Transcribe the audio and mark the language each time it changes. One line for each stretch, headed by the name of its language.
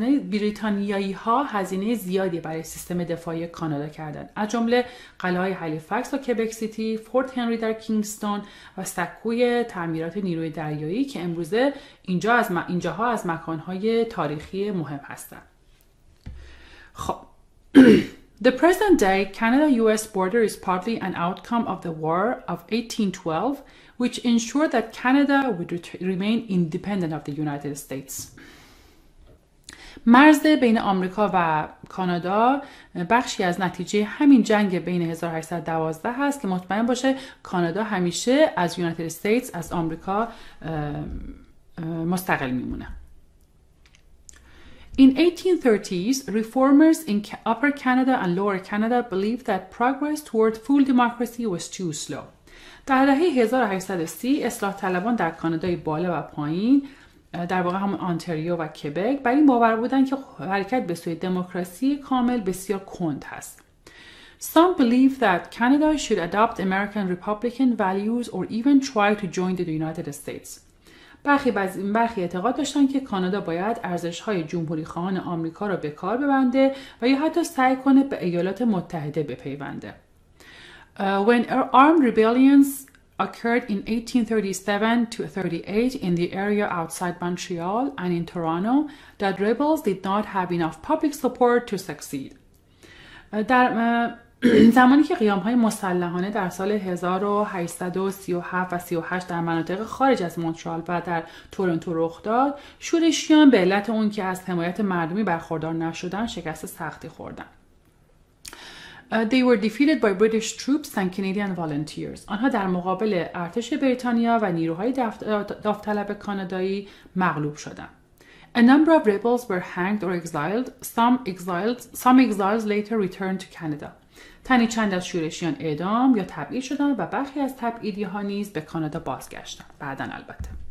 Persian: بریتانیایی‌ها هزینه زیادی برای سیستم دفاعی کانادا کردند. از جمله قلعه هالیفاکس و کبک سیتی، فورت هنری در کینگستون و سکوی تعمیرات نیروی دریایی که امروزه اینجاها از مکان‌های تاریخی مهم هستند. خب
English: The present day Canada-US border is partly an outcome of the war of 1812 which ensured that Canada would remain independent of the United States.
Persian: مرز بین آمریکا و کانادا بخشی از نتیجه همین جنگ بین 1812 هست که مطمئن باشه کانادا همیشه از یونایتد استیتس از آمریکا مستقل میمونه.
English: In 1830s, reformers in Upper Canada and Lower Canada believed that progress toward full democracy was too slow.
Persian: در دهه 1830 اصلاح طلبان در کانادای بالا و پایین در واقع همون آنتاریو و کبک بر این باور بودن که حرکت به سوی دموکراسی کامل بسیار کند هست.
English: Some believe that Canada should adopt American Republican values or even try to join the United States.
Persian: برخی اعتقاد داشتن که کانادا باید ارزش‌های جمهوری خواهان آمریکا را به کار ببنده و یا حتی سعی کنه به ایالات متحده بپیونده.
English: When armed rebellions occurred in 1837-38 in the area outside Montreal and in Toronto that rebels did not have enough public support to succeed.
Persian: در زمانی که قیام‌های مسلحانه در سال 1837 و 38 در مناطق خارج از مونترال و در تورنتو رخ داد، شورشیان به علت اون که از حمایت مردمی برخوردار نشدن شکست سختی خوردن.
English: They were defeated by British troops and Canadian volunteers.
Persian: آنها در مقابل ارتش بریتانیا و نیروهای داوطلب کانادایی مغلوب شدند.
English: A number of rebels were hanged or exiled. Some exiles later returned to Canada.
Persian: تنی چند از شورشیان اعدام یا تبعید شدند و برخی از تبعیدی‌ها نیز به کانادا بازگشتند. بعداً البته.